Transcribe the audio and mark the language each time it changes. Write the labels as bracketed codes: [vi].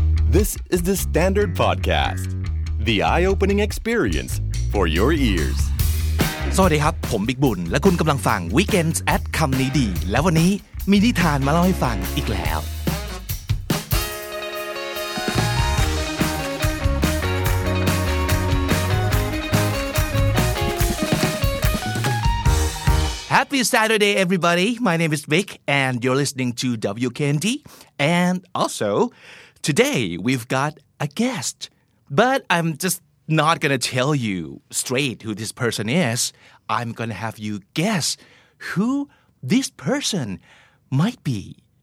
[en] This is the Standard Podcast. The eye-opening experience for your ears. [th] สวัสดีครับผมบิ๊กบุญและคุณกําลังฟัง Weekends at คำนี้ดีและวันนี้มีนิทานมาเล่าให้ฟังอีกแล้ว [en] Happy Saturday, everybody. My name is Vic, and you're listening to WKND. And also, today we've got a guest. But I'm just not going to tell you straight who this person is. I'm going to have you guess who this person might be.